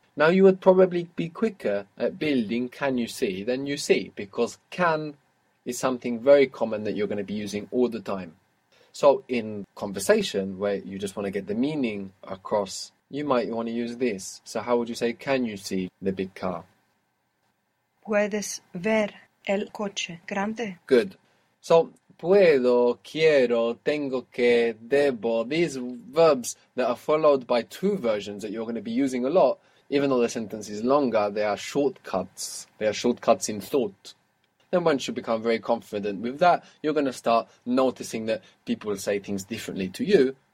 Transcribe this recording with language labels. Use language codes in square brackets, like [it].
[en] Now, you would probably be quicker at building can you see than you see, because can is something very common that you're going to be using all the time. So in conversation, where you just want to get the meaning across, you might want to use this. So how would you say, can you see the big car? [es] Puedes ver el coche grande. [en] Good. So, [es] puedo, quiero, tengo que, debo, [en] these verbs that are followed by two versions that you're going to be using a lot, even though the sentence is longer, they are shortcuts. They are shortcuts in thought. And once you become very confident with that, you're going to start noticing that people say things differently to you.